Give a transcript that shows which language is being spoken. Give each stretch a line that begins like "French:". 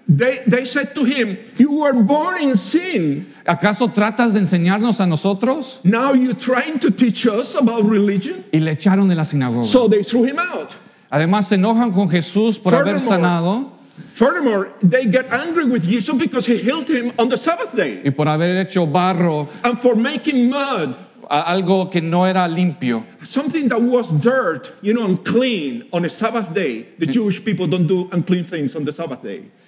English: They said to him, you were born in sin.
Spanish: ¿Acaso tratas de enseñarnos a nosotros?
English: Now you're trying to teach us about religion.
Spanish: Y le echaron de la sinagoga.
English: So they threw him out.
Spanish: Además, se enojan con Jesús por haber sanado.
English: Furthermore, they get angry with Jesus because he healed him on the Sabbath day.
Spanish: Y por haber hecho barro,
English: and for making mud.
Spanish: Algo que no era limpio.
English: Something that was dirt, you know, unclean on a Sabbath day. The Jewish people don't do unclean things on the Sabbath day.